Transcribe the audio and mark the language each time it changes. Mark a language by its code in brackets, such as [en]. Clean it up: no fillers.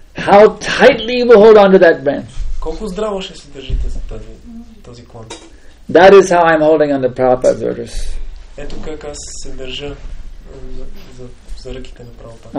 [en] How tightly you will hold onto that branch. [bg] Колко здраво ще се държите за този клон. [en] That is how I'm holding on to Prabhupada's orders. [bg] Ето как аз се държа за ръките на Прабхупада.